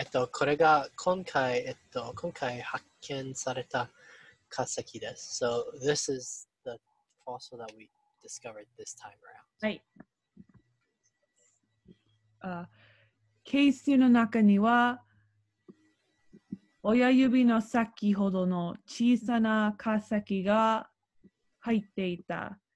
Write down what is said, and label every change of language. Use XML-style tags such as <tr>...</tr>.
<ja>これが今回発見された化石です。</ja> <en>So this is the fossil that we discovered this time around. Right.</en> <ja>ケースの中には親指の先ほどの小さな化石が入っていた。</ja>